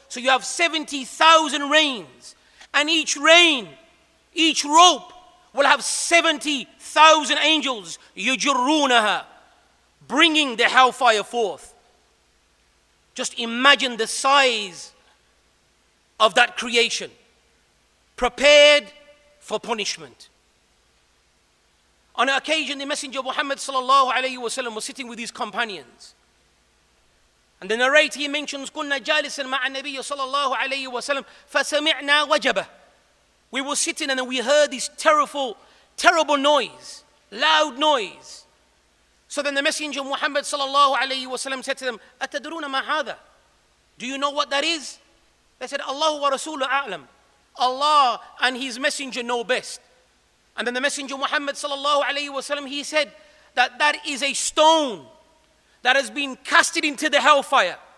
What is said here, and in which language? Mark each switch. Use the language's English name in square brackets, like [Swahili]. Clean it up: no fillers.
[English] So you have 70,000 reins, and each rein, each rope, will have 70,000 angels, yujurunaha, bringing the hellfire forth. Just imagine the size of that creation, prepared for punishment. On an occasion, the Messenger of Muhammad sallallahu alayhi wa sallam was sitting with his companions. And the narrator, he mentions, [Arabic] كُنَّ جَالِسًا مَعَ النَّبِيَّ صَلَى اللَّهُ عَلَيْهِ وَسَلَمْ فَسَمِعْنَا وَجَبَهُ, [English] We were sitting and then we heard this terrible noise, loud noise. So then the Messenger of Muhammad sallallahu alayhi wa sallam said to them, [Arabic] "Atadruna ma hadha?" [English] Do you know what that is? They said, [Arabic] "Allahu wa rasulu a'lam." [English] Allah and His Messenger know best. And then the Messenger Muhammad sallallahu alayhi wa sallam, he said that is a stone that has been casted into the hellfire.